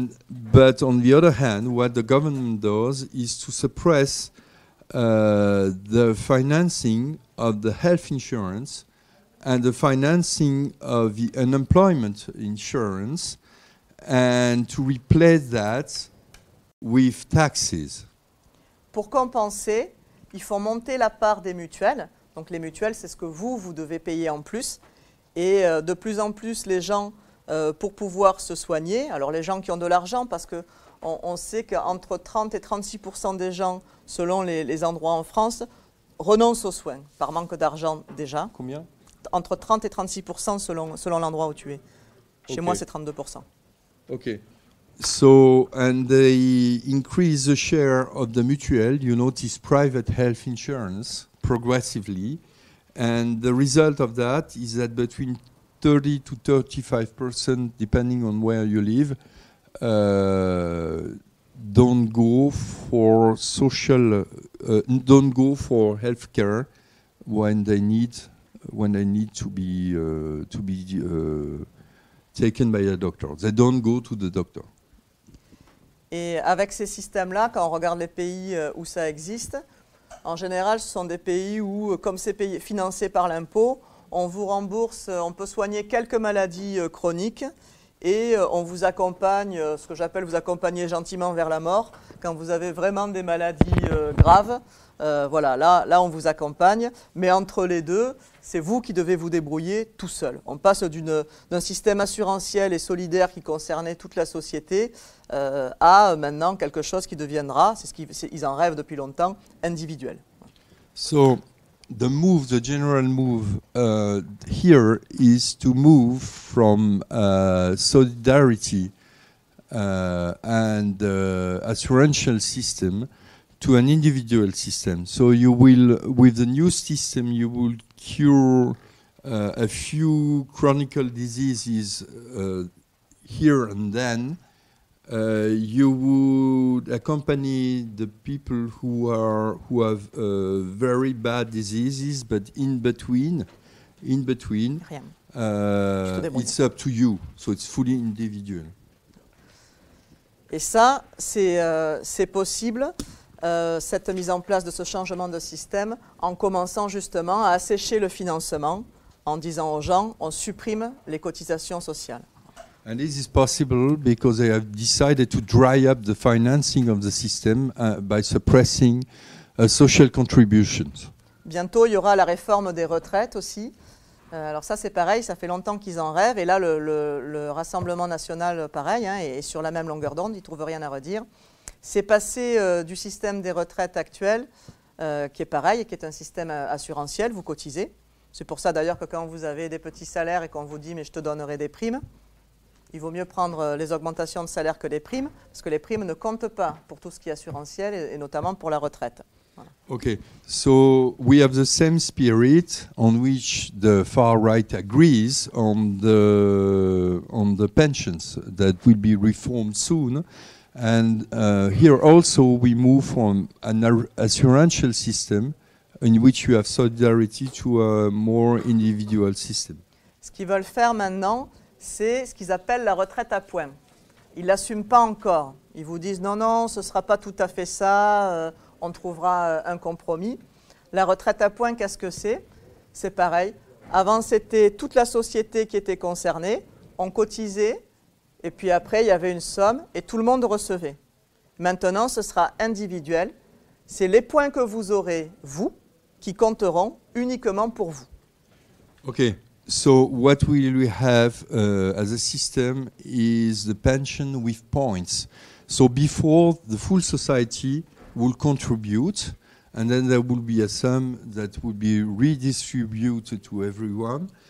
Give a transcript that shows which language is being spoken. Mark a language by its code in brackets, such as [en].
[en] But on the other hand, what the government does is to suppress the financing of the health insurance and the financing of the unemployment insurance and to replace that with taxes. [fr] Pour compenser, ils font monter la part des mutuelles. Donc les mutuelles, c'est ce que vous devez payer en plus. Et de plus en plus, les gens, pour pouvoir se soigner, alors les gens qui ont de l'argent, parce que on sait qu'entre 30 et 36% des gens, selon les endroits en France, renoncent aux soins par manque d'argent déjà. Combien? Entre 30 et 36% selon l'endroit où tu es. Chez okay. Moi, c'est 32%. OK. [en] So, and they increase the share of the mutual, you notice private health insurance, progressively. And the result of that is that between 30 to 35%, depending on where you live, don't go for healthcare when they need to be taken by a doctor. They don't go to the doctor. [fr] Et avec ces systèmes-là, quand on regarde les pays où ça existe, en général, ce sont des pays où, comme c'est payé, financé par l'impôt, on vous rembourse, on peut soigner quelques maladies chroniques et on vous accompagne, ce que j'appelle vous accompagner gentiment vers la mort, quand vous avez vraiment des maladies graves. Voilà, là on vous accompagne, mais entre les deux, c'est vous qui devez vous débrouiller tout seul. On passe d'un système assurantiel et solidaire qui concernait toute la société à maintenant quelque chose qui deviendra, ils en rêvent depuis longtemps, individuel. [en] So, the move, the general move here is to move from solidarity and assurantial system to an individual system. So you will, with the new system, you will cure a few chronic diseases here and then. You would accompany the people who have very bad diseases, but in between, it's up to you. So it's fully individual. [fr] Et ça, c'est possible. Cette mise en place de ce changement de système en commençant justement à assécher le financement en disant aux gens on supprime les cotisations sociales. [en] And this is possible because they have decided to dry up the financing of the system by suppressing social contributions. [fr] Bientôt il y aura la réforme des retraites aussi. Alors ça c'est pareil, ça fait longtemps qu'ils en rêvent et là le Rassemblement National pareil hein, est sur la même longueur d'onde, ils ne trouvent rien à redire. C'est passé du système des retraites actuel, qui est pareil, qui est un système assurantiel, vous cotisez. C'est pour ça d'ailleurs que quand vous avez des petits salaires et qu'on vous dit « mais je te donnerai des primes », il vaut mieux prendre les augmentations de salaire que les primes, parce que les primes ne comptent pas pour tout ce qui est assurantiel et notamment pour la retraite. Voilà. [en] Ok, so we have the same spirit on which the far right agrees on the pensions that will be reformed soon. And here also we move from an assurantial system in which you have solidarity to a more individual system. [fr] Ce qu'ils veulent faire maintenant, c'est ce qu'ils appellent la retraite à points. Ils ne l'assument pas encore. Ils vous disent non, ce ne sera pas tout à fait ça, on trouvera un compromis. La retraite à points, qu'est-ce que c'est? C'est pareil. Avant, c'était toute la société qui était concernée, on cotisait. Et puis après, il y avait une somme et tout le monde recevait. Maintenant, ce sera individuel. C'est les points que vous aurez, vous, qui compteront uniquement pour vous. OK. [en] So what will we have as a system is the pension with points. So before, the full society will contribute and then there will be a sum that will be redistributed to everyone.